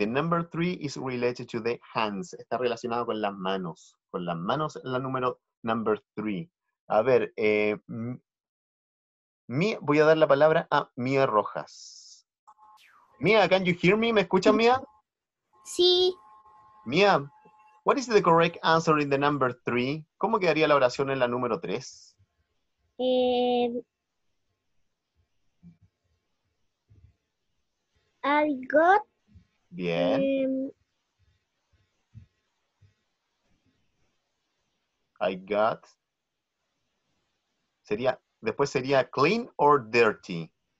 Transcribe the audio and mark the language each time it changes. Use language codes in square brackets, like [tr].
[en] The number three is related to the hands. [es] Está relacionado con las manos. Con las manos, la número number three. A ver, voy a dar la palabra a Mía Rojas. [en] Mía, can you hear me? [es] ¿Me escuchas, Mía? Sí. Mía. [en] What is the correct answer in the number three? [es] ¿Cómo quedaría la oración en la número tres? [en] I got... [es] Bien. [en] I got... [es] Sería, después sería [en] clean or dirty.